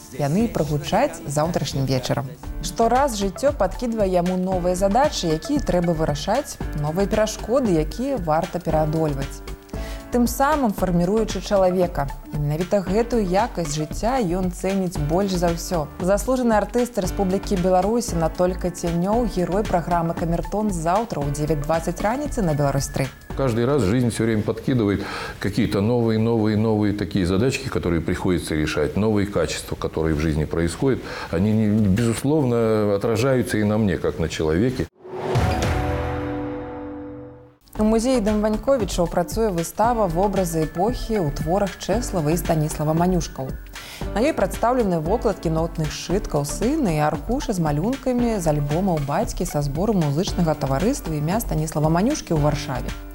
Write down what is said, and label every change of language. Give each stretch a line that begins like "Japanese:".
Belarusian: Яны прагучаць заўтрашнім вечарам. Штораз жыццё падкідвае яму новыя задачы, якія трэба вырашаць, новыя перашкоды, якія варта пераадольваць. Тым самым фарміруючы чалавека. І менавіта гэтую якасць жыцця ён цэніць больш за ўсё. Заслужаны артыст Рэспублікі Беларусь Анатоль Кацянёў, герой праграмы «Камертон» заўтра ў 9:20 раніцы на Беларусь-3.
Russian: Каждый раз жизнь все время подкидывает какие-то новые такие задачки, которые приходится решать, новые качества, которые в жизни происходят. Они, безусловно, отражаются и на мне, как на человеке.
Belarusian: У музеі Дамбанковічаў працуе выстава «Вобразы эпохі» ў творах Чэслава і Станіслава Манюшкаў. На ёй прадстаўлены вокладкі нотных сшыткаў сына і аркушы з малюнкамі з альбомаў бацькі са збору музычнага таварыства імя Станіслава Манюшкі ў Варшаве.